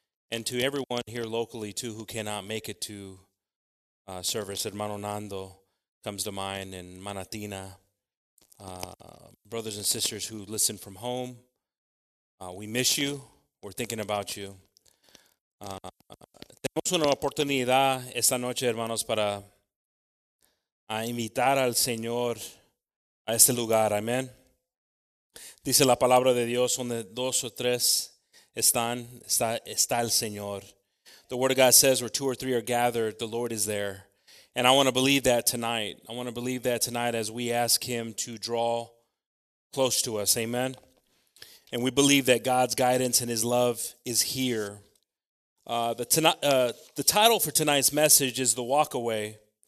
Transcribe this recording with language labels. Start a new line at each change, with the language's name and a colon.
English: And to everyone here locally, too, who cannot make it to service, Hermano Nando comes to mind, and Manatina, brothers and sisters who listen from home, we miss you, we're thinking about you.
Spanish: Tenemos una oportunidad esta noche, hermanos, para invitar al Señor a este lugar, amen. Dice la palabra de Dios, donde dos o tres están, está el Señor.
English: The Word of God says, where two or three are gathered, the Lord is there. And I want to believe that tonight. I want to believe that tonight as we ask him to draw close to us. Amen. And we believe that God's guidance and his love is here. The title for tonight's message is The Walk Away.